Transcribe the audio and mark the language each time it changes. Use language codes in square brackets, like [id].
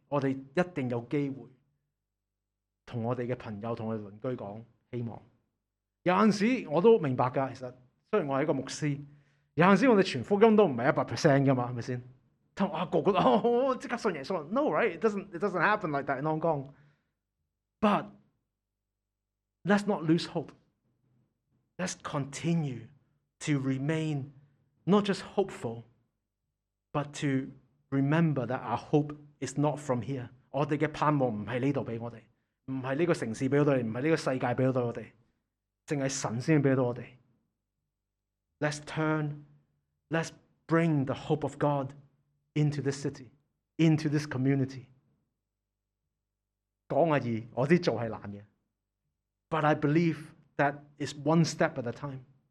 [yue] 我哋一定有機會同我哋嘅朋友、同我哋鄰居講希望。有陣時我都明白㗎，其實雖然我係一個牧師，有陣時我哋傳福音都唔係100%㗎嘛，係咪先？同阿哥覺得哦，即刻信耶穌。 [en] No, right? It doesn't happen like that in Hong Kong. But let's not lose hope. Let's continue to remain not just hopeful, but to remember that our hope is not from here. [yue] 我哋嘅盼望唔系呢度俾我哋，唔系呢个城市俾我哋，唔系呢个世界俾到我哋，净系神先俾到我哋。 [en] Let's turn, let's bring the hope of God into this city, into this community. [yue] 講而已，我知做係難嘅。 [en] But I believe that is one step at a time.